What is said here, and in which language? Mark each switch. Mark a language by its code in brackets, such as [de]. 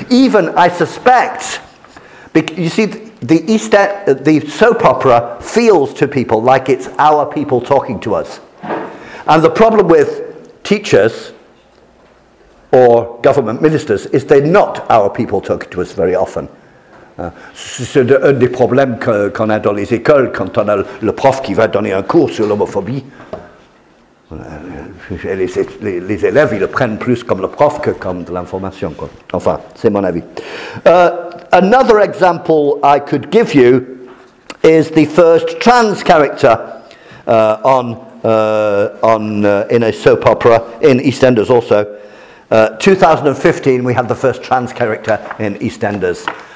[en] Even, I suspect, you see, the soap opera feels to people like it's our people talking to us. And the problem with teachers or government ministers is they're not our people talking to us very often. [fr] C'est un des problèmes qu'on a dans les écoles quand on a le prof qui va donner un cours sur l'homophobie. les élèves, ils le prennent plus comme le prof que comme de l'information, quoi. Enfin, c'est mon avis. [en] Another example I could give you is the first trans character in a soap opera in EastEnders also. 2015, we had the first trans character in EastEnders.